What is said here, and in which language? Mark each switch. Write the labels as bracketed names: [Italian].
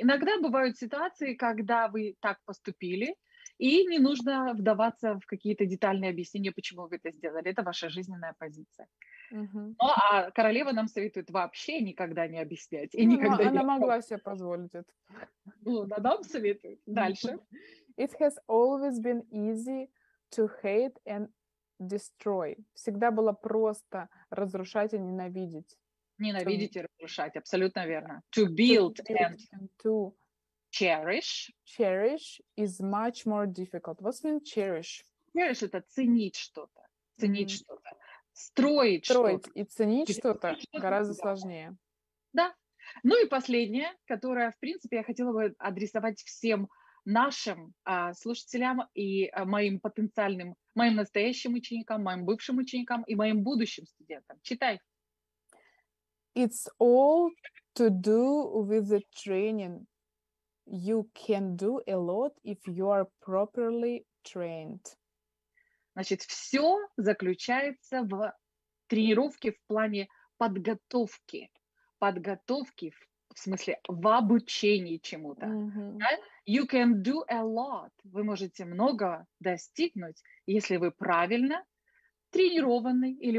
[Russian] Иногда бывают ситуации, когда вы так поступили, и не нужно вдаваться в какие-то детальные объяснения, почему вы это сделали. Это ваша жизненная позиция. Угу. Ну, а королева нам советует вообще никогда не объяснять. И никогда она не могла себе позволить это. Ну, она нам советует. Дальше. [English] It has always been easy to hate and destroy. [Russian] Всегда было просто разрушать и ненавидеть. Ненавидеть и разрушать, абсолютно верно. [English] To build and to cherish. Cherish is much more difficult. What's mean cherish? [Russian] Cherish — это ценить что-то. Ценить что-то. Строить что-то. Строить и ценить что-то гораздо сложнее. Да. Ну и последнее, которое, в принципе, я хотела бы адресовать всем нашим слушателям и моим потенциальным, моим настоящим ученикам, моим бывшим ученикам и моим будущим студентам. Читай. [English] It's all to do with the training. You can do a lot if you are properly trained. [Russian] Значит, все заключается в тренировке в плане подготовки. Подготовки в смысле в обучении чему-то. Mm-hmm. [English] You can do a lot. [Russian] Вы можете много достигнуть, если вы правильно тренированы или